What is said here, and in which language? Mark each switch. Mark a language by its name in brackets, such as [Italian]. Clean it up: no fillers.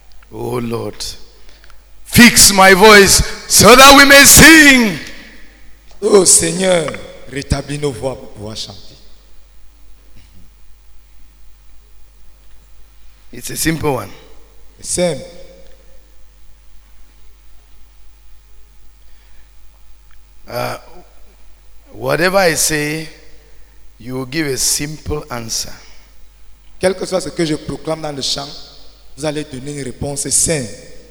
[English] Oh Lord, fix my voice so that we may sing. [French] Oh Seigneur, rétablis nos voix pour pouvoir chanter. [English] It's a simple one. It's simple. Whatever I say, you will give a simple answer. [French] Quel que soit ce que je proclame dans le chant, vous allez donner une réponse simple.